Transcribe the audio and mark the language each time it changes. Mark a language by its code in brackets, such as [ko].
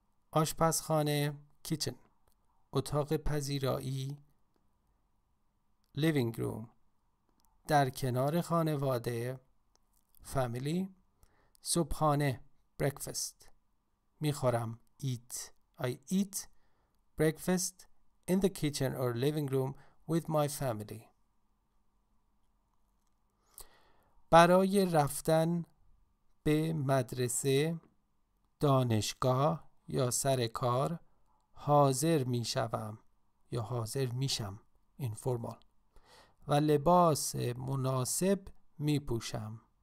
[fa] آشپزخانه kitchen. اتاق پذیرایی [en] living room. [fa] در کنار خانواده family صبحانه breakfast می‌خورم. [en] Eat. I eat breakfast in the kitchen or living room with my family. [fa] برای رفتن به مدرسه، دانشگاه یا سر کار حاضر می شوم یا حاضر می شم informal و لباس مناسب می پوشم.